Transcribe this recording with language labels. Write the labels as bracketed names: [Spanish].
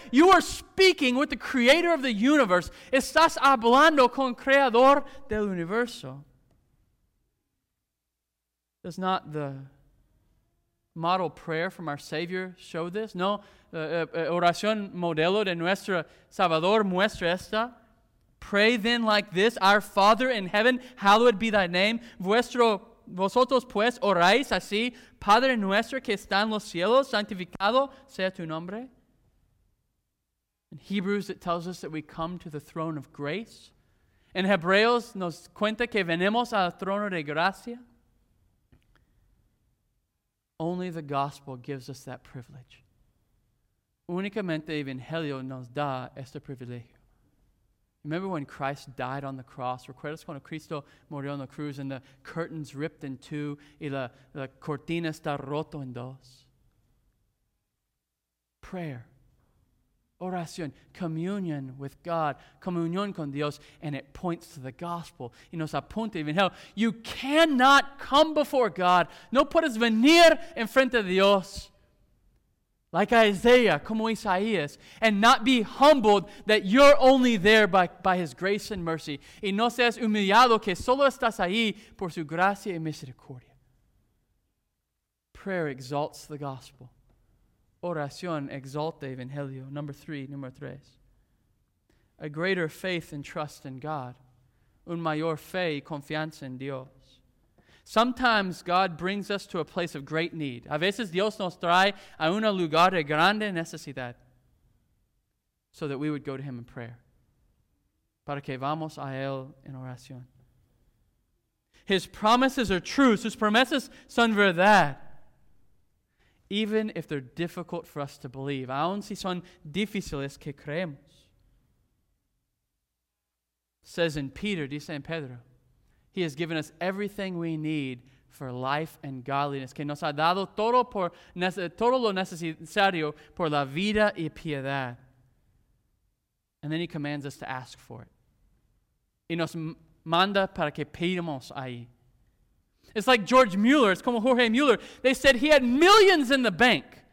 [English] You are speaking with the Creator of the universe. [Spanish] Estás hablando con Creador del Universo. [English] Does not the model prayer from our Savior show this? [Spanish] No, oración modelo de nuestro Salvador muestra esta. [English] Pray then like this, our Father in heaven, hallowed be thy name. [Spanish] Vosotros pues oráis así, Padre nuestro que está en los cielos, santificado sea tu nombre. [English] In Hebrews it tells us that we come to the throne of grace. [Spanish] En Hebreos nos cuenta que venimos al trono de gracia. [English] Only the gospel gives us that privilege. [Spanish] Únicamente el evangelio nos da este privilegio. [English] Remember when Christ died on the cross? [Spanish] ¿Recuerdas cuando Cristo murió en la cruz [English] and the curtains ripped in two [Spanish] y la cortina está roto en dos? [English] Prayer. Oración. Communion with God. [Spanish] Comunión con Dios. [English] And it points to the gospel. [Spanish] Y nos apunta [English] even hell. You cannot come before God. [Spanish] No puedes venir en frente de Dios. [English] Like Isaiah, [Spanish] como Isaías, [English] and not be humbled that you're only there by His grace and mercy. [Spanish] Y no seas humillado que solo estás ahí por su gracia y misericordia. [English] Prayer exalts the gospel. [Spanish] Oración exalta evangelio. [English] Number three. A greater faith and trust in God. [Spanish] Un mayor fe y confianza en Dios. [English] Sometimes God brings us to a place of great need. [Spanish] A veces Dios nos trae a un lugar de grande necesidad [English] so that we would go to Him in prayer. [Spanish] Para que vamos a Él en oración. [English] His promises are true. [Spanish] Sus promesas son verdad. [English] Even if they're difficult for us to believe. [Spanish] Aun si son difíciles que creemos. Dice en Pedro, [English] He has given us everything we need for life and godliness. [Spanish] Que nos ha dado todo lo necesario por la vida y piedad. [English] And then He commands us to ask for it. [Spanish] Y nos manda para que pidamos ahí. [English] It's like George Mueller. It's como Jorge Mueller. They said he had millions in the bank.